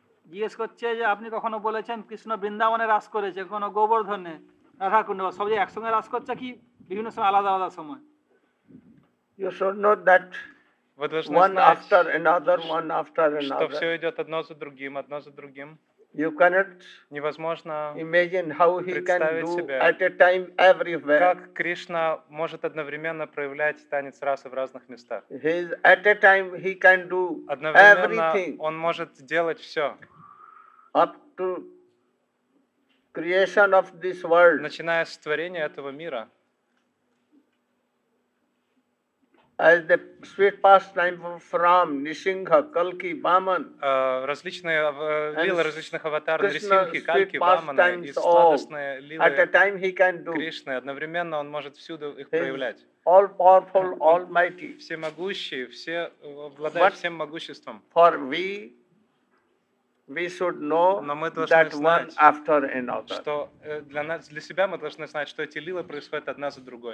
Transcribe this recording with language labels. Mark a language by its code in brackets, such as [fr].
[bn] জিজ্ঞেস করছে যে আপনি কখনো বলেছেন কৃষ্ণ বৃন্দাবনে রাস করেছে, কখনো গোবর্ধনে, রাধাকুণ্ড, সব যে একসঙ্গে রাস করছে কি বিভিন্ন সময় আলাদা আলাদা সময়? [en] You should know that one after another, one after another. [ru] Что все идет одно за другим, одно за другим. [en] You cannot [ru] невозможно [en] imagine how he can do [ru] себя, [en] at a time everywhere. [ru] Как Кришна может одновременно проявлять танец расы в разных местах? [en] He is at a time he can do [ru] одновременно [en] everything. [ru] Он может делать все. [en] Up to creation of this world. [ru] Начиная с творения этого мира. [en] As the sweet pastime of Ram, Nrisimha, Kalki, Vaman. [ru] Различные лилы различных аватаров, Нрисимхи, Калки, Ваманы, и сладостные лилы [en] at a time he can do. [ru] Кришны. Одновременно он может всюду их проявлять. [en] All powerful, almighty. [ru] Всемогущий, все обладает всем могуществом. [en] For we should know that one after another. [ru] Что для нас, для себя мы должны знать, что эти лилы происходят одна за другой.